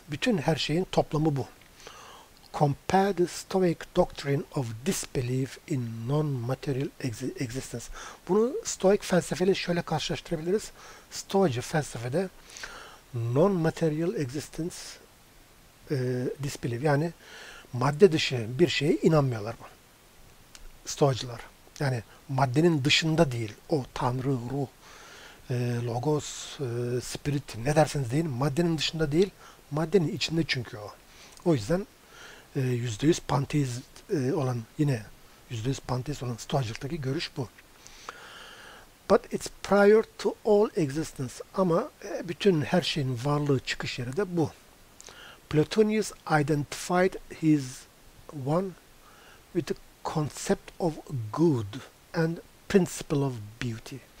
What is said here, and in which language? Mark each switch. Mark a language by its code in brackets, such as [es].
[tr] Bütün her şeyin toplamı bu. [en] Compare the Stoic doctrine of disbelief in non-material existence. [tr] Bunu Stoic felsefeyle şöyle karşılaştırabiliriz. Stoacı felsefede [en] non-material existence disbelief, [tr] yani madde dışı bir şeye inanmıyorlar bu Stoacılar. Yani maddenin dışında değil, o Tanrı, ruh, logos, spirit, ne derseniz deyin, maddenin dışında değil, maddenin içinde çünkü o. O yüzden %100 panteist olan, yine %100 panteist olan Stoacılıktaki görüş bu. [en] But it's prior to all existence. [tr] Ama bütün her şeyin varlığı, çıkış yeri de bu. [en] Plotinus identified his one with the concept of good and principle of beauty.